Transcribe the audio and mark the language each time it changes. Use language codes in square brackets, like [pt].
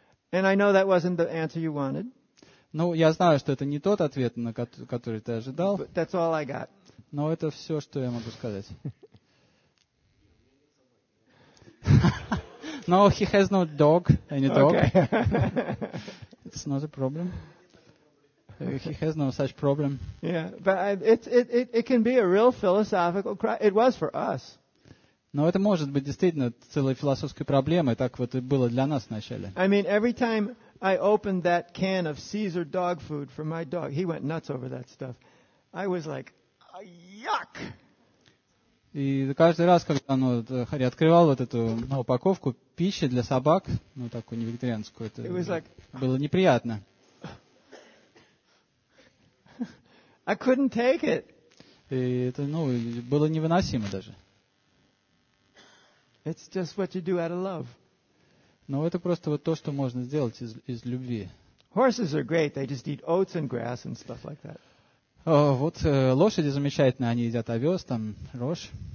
[en] And I know that wasn't the answer you wanted. [ru] Ну, я знаю, что это не тот ответ, на который ты ожидал. [en] But that's all I got. [ru] Но это все, что я могу сказать. [en] No, he has no dog. Any dog. It's not a problem. He has no such problem. Yeah, but it can be a real philosophical crisis. It was for us. [ru] Но это может быть действительно целой философской проблемой. Так вот и было для нас вначале. [en] I mean, every time I opened that can of Caesar dog food for my dog, he went nuts over that stuff. I was like, yuck! [ru] И каждый раз, когда он Харри открывал вот эту упаковку пищи для собак, ну такую невегетарианскую, это было неприятно. [en] I couldn't take it. [ru] И это, ну, было невыносимо даже. [en] It's just what you do out of love. [ru] Но это просто вот то, что можно сделать из любви. [en] Horses are great. They just eat oats and grass and stuff like that. [ru] Вот лошади замечательные. Они едят овес, там рожь.